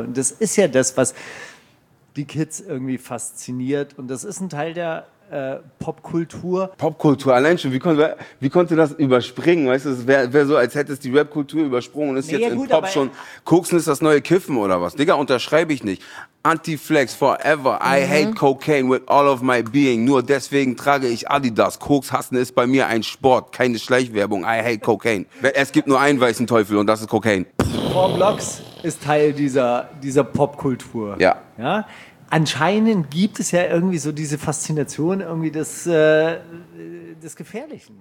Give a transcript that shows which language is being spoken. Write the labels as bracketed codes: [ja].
[de] Und das ist ja das, was die Kids irgendwie fasziniert. Und das ist ein Teil der Popkultur. Popkultur, allein schon, wie konnte das überspringen? Weißt du, es wäre so, als hättest du die Rapkultur übersprungen und ist jetzt in Pop schon. Koksen ist das neue Kiffen oder was? Digga, unterschreibe ich nicht. Anti-Flex forever. [en] I hate cocaine with all of my being. [de] Nur deswegen trage ich Adidas. Koks hassen ist bei mir ein Sport. Keine Schleichwerbung. [en] I hate cocaine. [de] Es gibt nur einen weißen Teufel und das ist Cocaine. Four Blocks ist Teil dieser Popkultur. Ja. Ja. Anscheinend gibt es ja irgendwie so diese Faszination irgendwie des Gefährlichen.